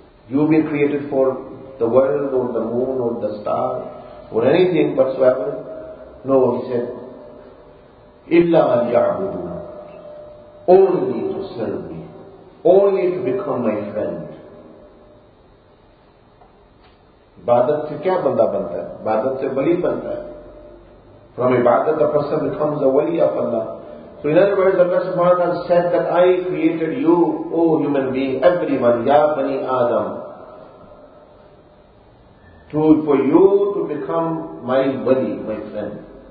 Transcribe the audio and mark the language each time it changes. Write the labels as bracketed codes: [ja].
[en] You been created for the world or the moon or the star or anything whatsoever. No, he said, illa an ya'budu, only to serve me, only to become my friend. [ur] عبادت سے کیا بندہ بنتا ہے؟ عبادت سے ولی بنتا ہے. [en] From عبادت a person becomes a ولی of Allah. So in other words, Allah subhanahu wa ta'ala said that I created you, O human being, everyone, Ya Bani Adam, for you to become my buddy, my friend.